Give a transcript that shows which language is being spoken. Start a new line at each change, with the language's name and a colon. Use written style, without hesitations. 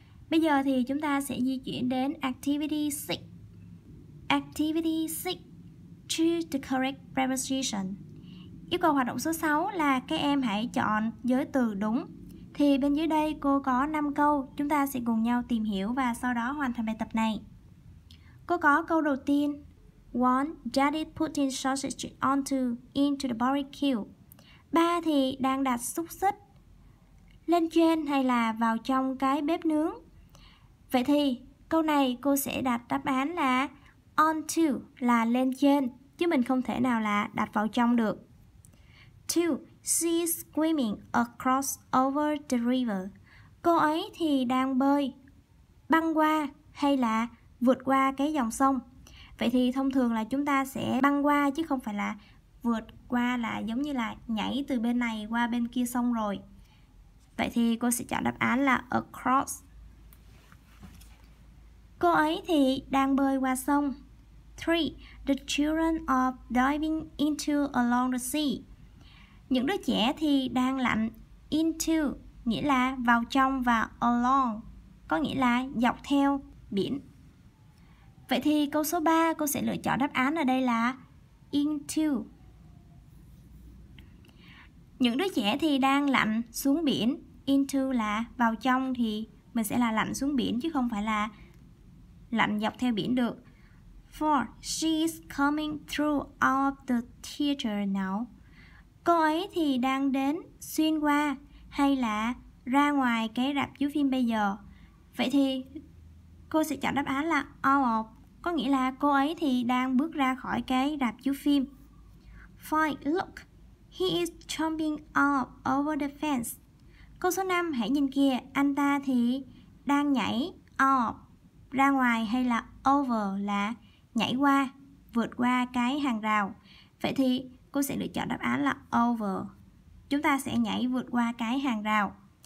Vietnamese: Bây giờ thì chúng ta sẽ di chuyển đến activity 6.
English: Activity 6, choose the correct preposition.
Vietnamese: Yêu cầu hoạt động số 6 là các em hãy chọn giới từ đúng. Thì bên dưới đây cô có 5 câu, chúng ta sẽ cùng nhau tìm hiểu và sau đó hoàn thành bài tập này. Cô có câu đầu tiên.
English: One, Daddy putting sausage onto into the barbecue.
Vietnamese: Ba thì đang đặt xúc xích lên trên hay là vào trong cái bếp nướng. Vậy thì câu này cô sẽ đặt đáp án là onto là lên trên, chứ mình không thể nào là đặt vào trong được.
English: Two, she's swimming across over the river.
Vietnamese: Cô ấy thì đang bơi băng qua hay là vượt qua cái dòng sông. Vậy thì thông thường là chúng ta sẽ băng qua chứ không phải là vượt qua, là giống như là nhảy từ bên này qua bên kia sông rồi. Vậy thì cô sẽ chọn đáp án là across. Cô ấy thì đang bơi qua sông. 3.
English: The children are diving into along the sea.
Vietnamese: Những đứa trẻ thì đang lặn into nghĩa là vào trong và along có nghĩa là dọc theo biển. Vậy thì câu số 3 cô sẽ lựa chọn đáp án ở đây là into. Những đứa trẻ thì đang lặn xuống biển. Into là vào trong thì mình sẽ là lặn xuống biển chứ không phải là lặn dọc theo biển được. 4.
English: She's coming through out the theater now.
Vietnamese: Cô ấy thì đang đến xuyên qua hay là ra ngoài cái rạp chiếu phim bây giờ. Vậy thì cô sẽ chọn đáp án là out. Có nghĩa là cô ấy thì đang bước ra khỏi cái rạp chiếu phim. 5.
English: Look, he is jumping up over the fence.
Vietnamese: Câu số 5, hãy nhìn kìa, anh ta thì đang nhảy up ra ngoài hay là over là nhảy qua, vượt qua cái hàng rào. Vậy thì cô sẽ lựa chọn đáp án là over. Chúng ta sẽ nhảy vượt qua cái hàng rào.